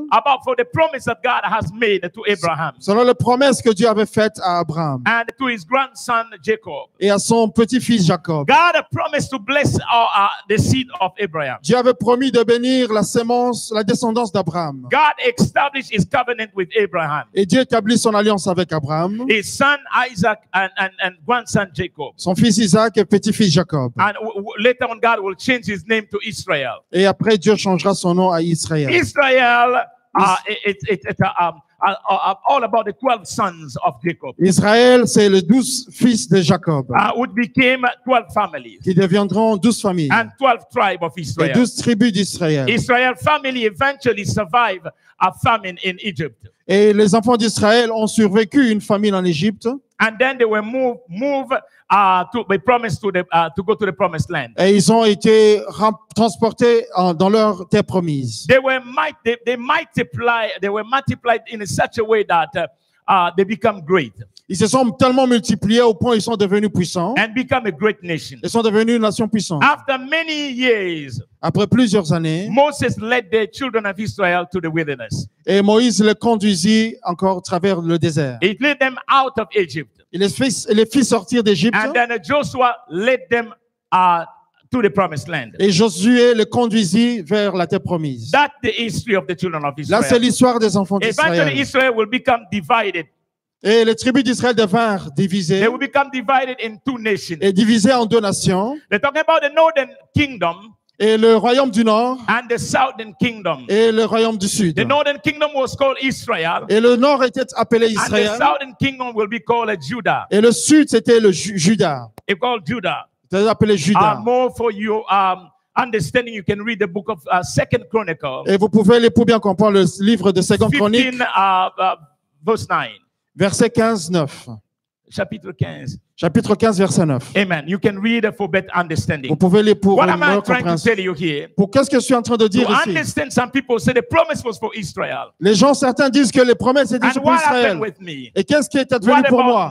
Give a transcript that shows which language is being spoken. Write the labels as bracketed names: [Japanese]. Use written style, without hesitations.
[English] About for the promise that God has made to Abraham. [French] Selon les promesses que Dieu avait faites à Abraham. [English] And to his grandson Jacob. [French] Et à son petit-fils Jacob. [English] God promised to bless the seed of Abraham. [French] Dieu avait promis de bénir la semence, la descendance d'Abraham. [English] God established his covenant with Abraham. [French] Et Dieu établit son alliance avec Abraham. [English] His son Isaac and grandson Jacob. [French] Son fils Isaac et petit-fils Jacob. [English] And later on God will change his name to Israel. [French] Et après Dieu changera son nom à Israël. [English] Israel. All about the 12 sons of Jacob. [French] Israël, c'est les 12 fils de Jacob. [English] Would became 12 families. [French] Qui deviendront 12 familles. [English] And 12 tribes of Israel. [French] Les 12 tribus d'Israël. [English] Israel family eventually survived a famine in Egypt. [French] Et les enfants d'Israël ont survécu une famine en Égypte. [English] And then they were moved. To go to the promised land. [French] Et ils ont été transportés dans leur terre promise. [English] They were multiplied in such a way that they become great. [French] Ils se sont tellement multipliés au point ils sont devenus puissants. [English] And become a great nation. [French] Ils sont devenus une nation puissante. [English] After many years. [French] Après plusieurs années. [English] Moses led the children of Israel to the wilderness. [French] Et Moïse les conduisit encore à travers le désert. [English] He led them out of Egypt. [French] Il les fit sortir d'Égypte. [English] And then Joshua led them to the promised land. [French] Et Josué les conduisit vers la terre promise. [English] That's the history of the children of Israel. [French] Là, c'est l'histoire des enfants d'Israël. [English] Eventually, Israel will become divided. [French] Et les tribus d'Israël devinrent divisées. [English] They will become divided in two nations. [French] Et divisées en deux nations. [English] They're talking about the northern kingdom. [French] Et le royaume du nord. [English] And the southern kingdom. [French] Et le royaume du sud. [English] The northern kingdom was called Israel. [French] Et le nord était appelé Israël. [English] And the southern kingdom will be called Judah. [French] Et le sud c'était le Juda. [English] It called Judah. [French] C'était appelé Juda. [English] More for you understanding, you can read the book of Second Chronicles. [French] Et vous pouvez aller pour bien comprendre le livre de Second Chronique. [English] Verse 9. [French] Verset 15-9. Chapitre 15. Chapitre 15, verset 9. [English] Amen. You can read for better understanding. [French] Vous pouvez lire pour [English] What [French] une meilleure compréhension. [English] What am I trying to tell you here? [French] Pour qu'est-ce que je suis en train de dire [English] to [French] ici? [English] To understand, some people say the promise was for Israel. [French] Les gens certains disent que les promesses étaient [English] And [French] pour Israël. [English] And what happened with me? [French] Et qu'est-ce qui est advenu pour moi?